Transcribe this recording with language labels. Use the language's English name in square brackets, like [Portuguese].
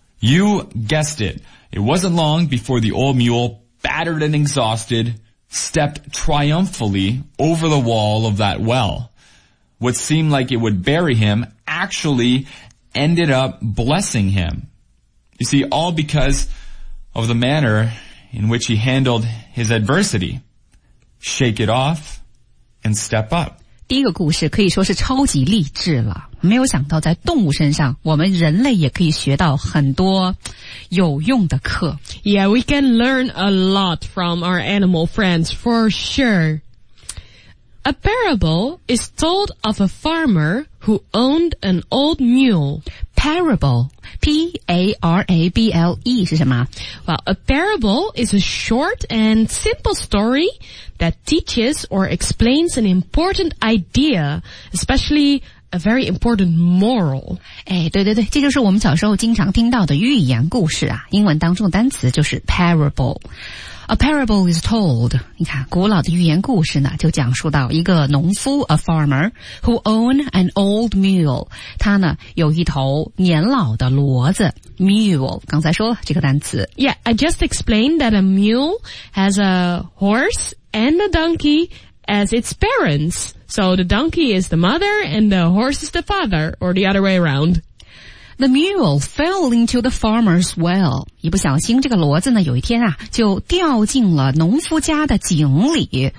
[English] You guessed it. It wasn't long before the old mule, battered and exhausted, stepped triumphantly over the wall of that well. What seemed like it would bury him actually ended up blessing him. You see, all because of the manner in which he handled his adversity. Shake it off and step up. [Chinese] 第一个故事可以说是超级励志了，没有想到在动物身上我们人类也可以学到很多有用的课。 [English] Yeah, we can learn a lot from our animal friends for sure. A parable is told of a farmer who owned an old mule. Parable, P-A-R-A-B-L-E [Chinese] 是什么？ [English] Well, a parable is a short and simple story that teaches or explains an important idea, especially a very important moral. [Chinese] 哎，对对对，这就是我们小时候经常听到的寓言故事啊，英文当中的单词就是 parable。 [English] A parable is told. [Chinese] 你看，古老的寓言故事呢，就讲述到一个农夫 , [English] a farmer, who owned an old mule. [Chinese] 他呢，有一头年老的骡子 ,mule, 刚才说了这个单词。 [English] Yeah, I just explained that a mule has a horse and a donkey as its parents. So the donkey is the mother and the horse is the father, or the other way around. The mule fell into the farmer's well. [Chinese] 一不小心这个骡子呢有一天啊就掉进了农夫家的井里。